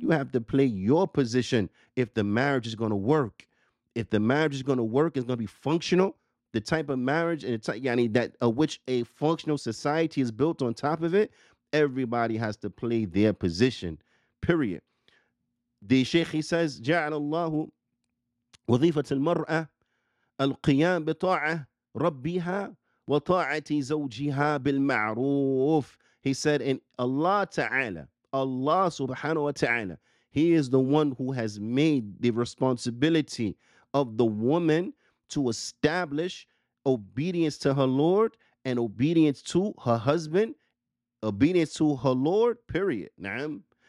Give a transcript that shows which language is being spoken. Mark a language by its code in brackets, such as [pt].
[en] You have to play your position if the marriage is going to work. If the marriage is going to work, it's going to be functional. The type of marriage and which a functional society is built on top of it, everybody has to play their position, period. The sheikh, he says, [ar] Ja'alallahu وظيفة المرأة القيام بطاعة ربها وطاعة زوجها بالمعروف. [en] He said, in Allah Ta'ala, Allah Subhanahu wa Ta'ala, he is the one who has made the responsibility of the woman to establish obedience to her Lord and obedience to her husband, obedience to her Lord, period. Na'am.